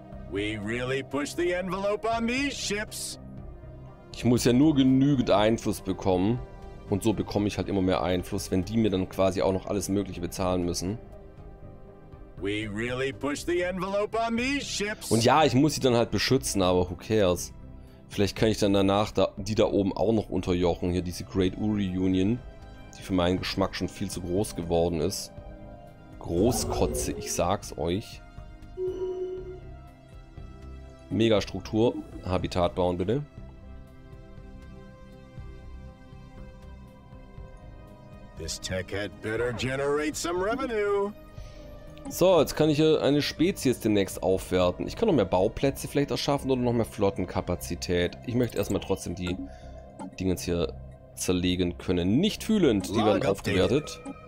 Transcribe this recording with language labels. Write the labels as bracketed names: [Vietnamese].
[English] We really push the envelope on these ships. [German] Ich muss ja nur genügend Einfluss bekommen. Und so bekomme ich halt immer mehr Einfluss, wenn die mir dann quasi auch noch alles Mögliche bezahlen müssen. [English] We really push the envelope on these ships. [German] Und ja, ich muss sie dann halt beschützen, aber [English] who cares? [German] Vielleicht kann ich dann danach die da oben auch noch unterjochen, hier diese Great Uri Union, die für meinen Geschmack schon viel zu groß geworden ist. Großkotze, ich sag's euch. Megastruktur, Habitat bauen bitte. [English] This tech had better generate some revenue. [German] So, jetzt kann ich hier eine Spezies demnächst aufwerten. Ich kann noch mehr Bauplätze vielleicht erschaffen oder noch mehr Flottenkapazität. Ich möchte erstmal trotzdem die Dinge jetzt hier zerlegen können. Nicht fühlend, die werden aufgewertet.